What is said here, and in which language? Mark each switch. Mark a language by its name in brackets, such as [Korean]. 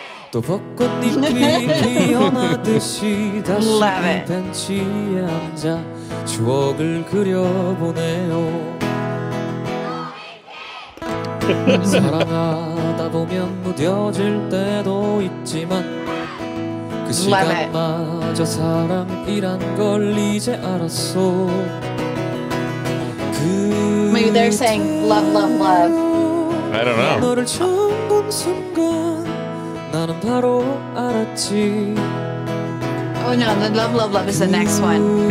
[Korean] 또 벚꽃잎이 피어나듯이 다시 벤치에 앉아 추억을 그려보네요. 사랑하다 보면 무뎌질 때도 있지만 그 시간마저 사랑이란 걸 이제 알았어. [English] Maybe they're saying love, love, love. I don't know. [Korean] 너를 처음 본 순간 나는 바로 알았지. [English] Oh no, the love, love, love is the next one.